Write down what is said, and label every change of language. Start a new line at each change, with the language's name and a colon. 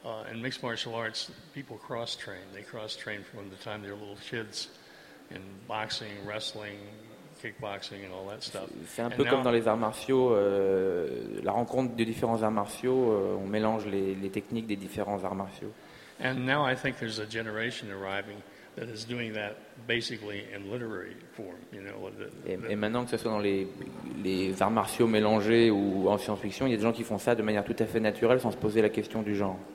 English: In mixed martial arts, people cross train. They cross train from the time they're little kids in boxing, wrestling, kickboxing and all that stuff.
French: C'est un peu comme dans les arts martiaux, la rencontre de différents arts martiaux, on mélange les techniques des différents arts martiaux.
English: And now I think there's a generation arriving that is doing that basically in literary form, you know.
French: Et maintenant que ce soit dans les arts martiaux mélangés ou en science-fiction, il y a des gens qui font ça de manière tout à fait naturelle sans se poser la question du genre.